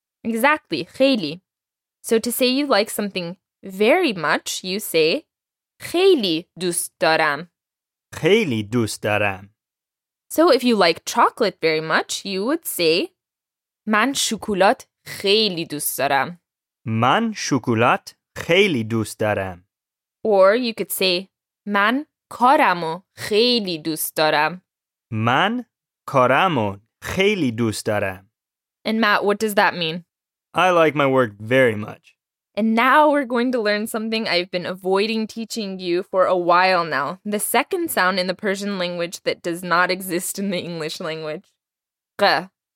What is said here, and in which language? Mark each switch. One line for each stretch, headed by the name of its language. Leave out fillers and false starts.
English: Exactly, خیلی. So to say you like something very much, you say,
Persian: خیلی دوست دارم. خیلی دوست دارم.
English: So if you like chocolate very much, you would say,
Persian: من شکلات خیلی دوست دارم. من شکلات خیلی دوست دارم.
English: Or you could say,
Persian: من کارمو خیلی دوست دارم. من کارمو خیلی دوست دارم.
English: And Matt, what does that mean? I like my work very much. And now we're going to learn something I've been avoiding teaching you for a while now. The second sound in the Persian language that does not exist in the English language. Q.